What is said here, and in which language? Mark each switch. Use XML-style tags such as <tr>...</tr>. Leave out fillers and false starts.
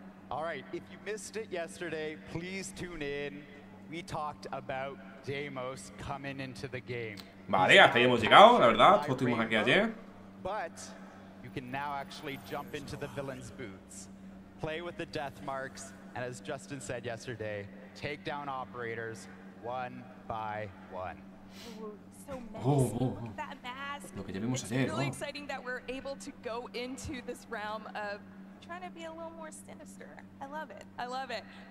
<en>Alright, if you missed it yesterday, please tune in. We talked about Deimos coming into the game.</en> <es>Vale, hasta ahí hemos llegado, la verdad, todos estuvimos aquí ayer.</es> <en>But you can now actually jump into the villain's boots. Play with the Deathmarks. And as Justin said yesterday, take down operators one by one. Oh,</en> <es>lo que debemos hacer.</es> <en>It's really exciting that we're able to go into this realm of trying to be a little more sinister. I love it. I love it.</en>